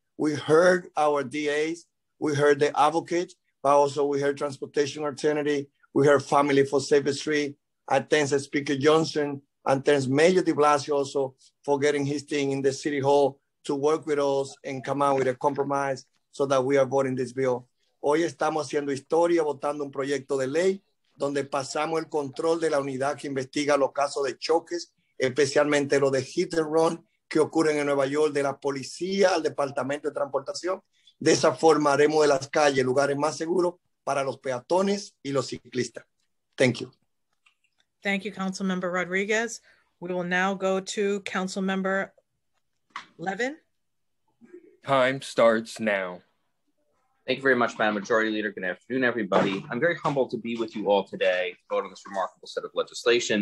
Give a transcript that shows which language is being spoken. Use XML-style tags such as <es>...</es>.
<en>We heard our DAs, we heard the advocate, but also we heard Transportation Alternative, we heard Family for Safe Street. I thank Speaker Johnson, and thanks Mayor de Blasio also for getting his team in the City Hall to work with us and come out with a compromise so that we are voting this bill.</en> <es>Hoy estamos haciendo historia votando un proyecto de ley donde pasamos el control de la unidad que investiga los casos de choques, especialmente los de</es> <en>hit and run</en> <es>que ocurren en Nueva York, de la policía al Departamento de Transportación. De esa forma haremos de las calles lugares más seguros para los peatones y los ciclistas.</es> <en>Thank you. Thank you, Councilmember Rodriguez. We will now go to Councilmember Levin? Time starts now. Thank you very much, Madam Majority Leader. Good afternoon, everybody. I'm very humbled to be with you all today to vote on this remarkable set of legislation.</en>